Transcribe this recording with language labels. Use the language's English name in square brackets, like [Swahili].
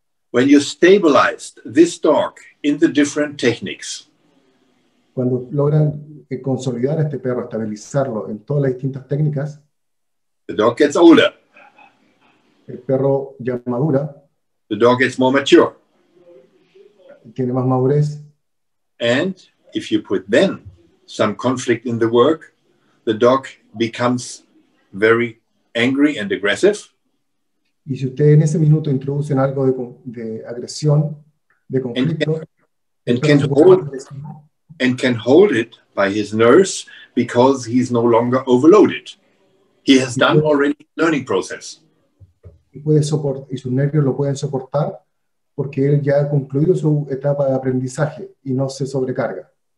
[English] When you stabilized this dog in the different techniques, [Spanish] cuando logran consolidar a este perro, estabilizarlo en todas las distintas técnicas, [English] the dog gets older. [Spanish] El perro ya madura. [English] The dog gets more mature. [Spanish] Tiene más madurez. [English] And if you put then some conflict in the work, the dog becomes very angry and aggressive. [Spanish] Y si ustedes en ese minuto introducen algo de agresión, de conflicto, [English] and can hold it by his nerves because he's no longer overloaded. He has done already the learning process. [Spanish] Y sus nervios lo pueden soportar porque él ya ha concluido su etapa de aprendizaje y no se sobrecarga.